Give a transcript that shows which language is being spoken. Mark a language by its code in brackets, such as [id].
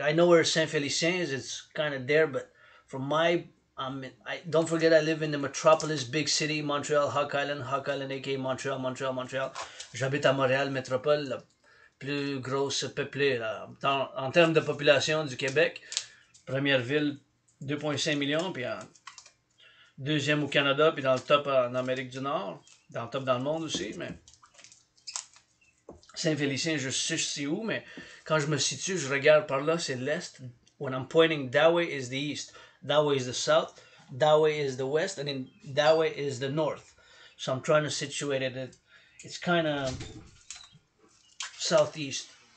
[en] I know where Saint-Félicien is, it's kind of there, but from my... don't forget I live in the metropolis, big city, Montreal, Hawk Island, aka Montreal. [fr] J'habite à Montréal, métropole, la plus grosse peuplée, là. En termes de population du Québec, première ville, 2,5 millions, puis en deuxième au Canada, puis dans le top en Amérique du Nord, dans le top dans le monde aussi, mais Saint-Félicien, je sais si où, mais quand je me situe, je regarde par là, c'est l'est. [en] When I'm pointing that way is the east. That way is the south, that way is the west, and then that way is the north. So I'm trying to situate it. It's kind of southeast.